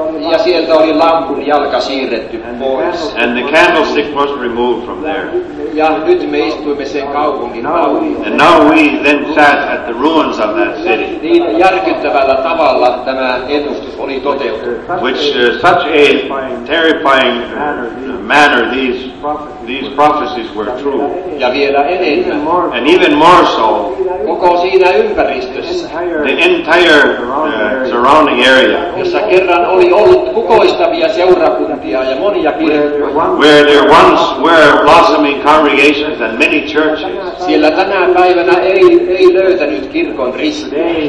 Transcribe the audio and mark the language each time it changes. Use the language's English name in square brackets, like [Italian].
[Finnish] Ja sieltä oli lampun jalka siirretty pois. [English] And the candlestick was removed from there. [Finnish] Ja nyt me istuimme sen kaupungin lauriossa. [English] And now we then sat at the ruins of that city. [Finnish] Niin järkyttävällä tavalla tämä ennustus oli toteutunut. [English] Which such a terrifying manner these prophecies were true. [Finnish] Ja vielä enemmän. [English] And even more so. [Finnish] Koko siinä ympäristössä. [English] The entire surrounding area. [Finnish] Jossa kerran oli ollut kukoistavia seurakuntia ja monia kirkkoja. [English] Where there once were blossoming congregations and many churches. [Finnish] Siellä tänä päivänä ei löytänyt kirkon ristiä.